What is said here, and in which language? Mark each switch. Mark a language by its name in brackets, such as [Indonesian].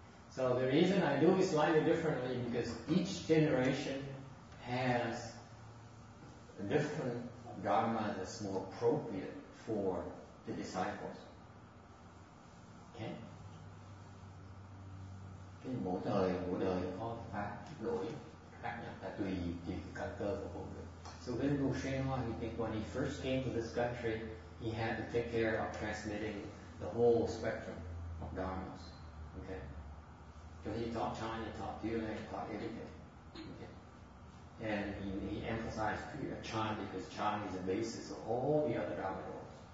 [English] So the reason I do it slightly differently because each generation has a different dharma that's more appropriate for the disciples. Okay? [Vietnamese] Cái mỗi đời có pháp đổi khác nhau, ta tùy chuyện căn cơ của mỗi người. [English] So Vinh Bù Sen Hoa, he think when he first came to this country, he had to take care of transmitting the whole spectrum of dharmas. Okay? So he taught China, taught Thule, taught everything. Okay? And he emphasized Chan because Chan is the basis of all the other dharma doors.